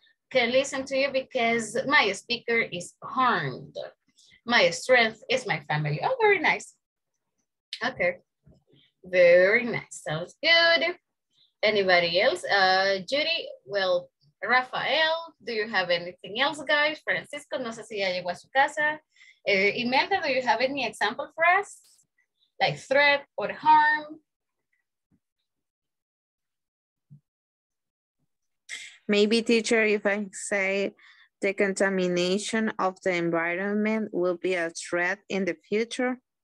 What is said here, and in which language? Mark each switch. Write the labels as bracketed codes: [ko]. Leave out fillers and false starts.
[en] Can listen to you because my speaker is harmed. My strength is my family. Oh, very nice. Okay. Very nice, sounds good. Anybody else? Judy, well, Rafael, do you have anything else, guys? [es] Francisco, no sé si ya llegó a su casa. [en] Imelda, do you have any example for us? Like threat or harm? Maybe, teacher, if I say the contamination of the environment will be a threat in the future.